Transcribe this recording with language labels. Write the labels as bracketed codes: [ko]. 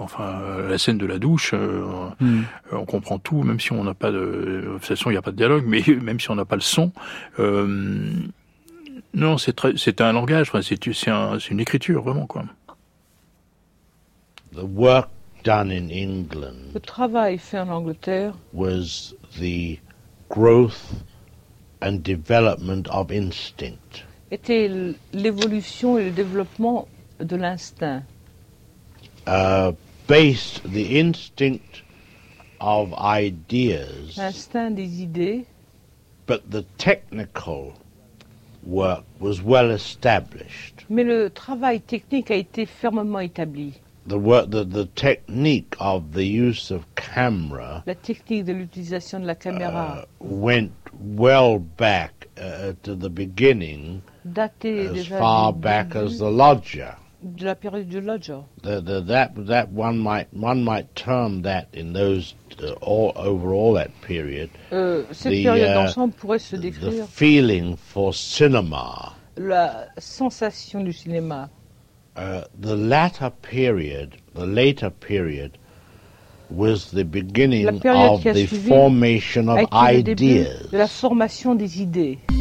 [fr] Enfin, la scène de la douche, on comprend tout, même si on n'a pas de... De toute façon, il n'y a pas de dialogue, mais même si on n'a pas le son. Non, c'est, c'est un langage, enfin, c'est une écriture, vraiment, quoi. [en] The work done in England, [fr] le travail fait en Angleterre, [en] was the growth and development of instinct. [fr] Était l'évolution et le développement de l'instinct. [en] Based the instinct of ideas, [fr] l'instinct des idées, [en] but the technical work was well established. [fr] Mais le travail technique a été fermement établi. [en] The work, the technique of the use of camera, [fr] la technique de l'utilisation de la caméra, [en] went well back to the beginning, [fr] daté [en] as far back as the Lodger. [fr] De la période du Lodger. [en] That one might term that in those all over all that period. [fr] Cette période d'ensemble pourrait se décrire. [en] The feeling for cinema. [fr] La sensation du cinéma. [en] The latter period, the later period, was the beginning of the formation of ideas. [fr] De la formation des idées.